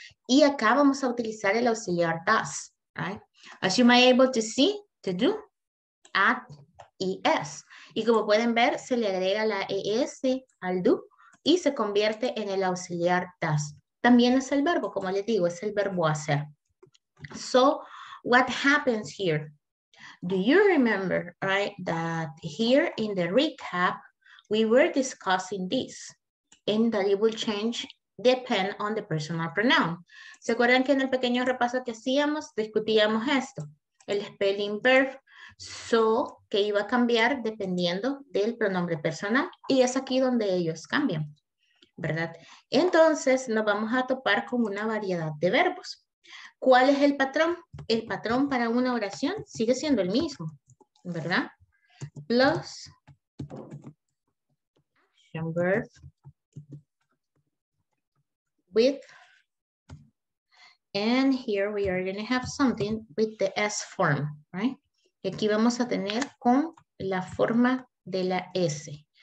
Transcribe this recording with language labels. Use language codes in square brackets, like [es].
[es] Y acá vamos a utilizar el auxiliar does, [en] right? As you may be able to see, to do, at, es. [es] Y como pueden ver, se le agrega la es al do y se convierte en el auxiliar does. También es el verbo, como les digo, es el verbo hacer. [en] So, what happens here? Do you remember, right, that here in the recap, we were discussing this, and that it will change depend on the personal pronoun. [es] ¿Se acuerdan que en el pequeño repaso que hacíamos, discutíamos esto? El spelling verb, so, que iba a cambiar dependiendo del pronombre personal, y es aquí donde ellos cambian, ¿verdad? Entonces nos vamos a topar con una variedad de verbos. ¿Cuál es el patrón? El patrón para una oración sigue siendo el mismo, ¿verdad? [en] Plus action verb with, and here we are going to have something with the S form, right? [es] Aquí vamos a tener con la forma de la S.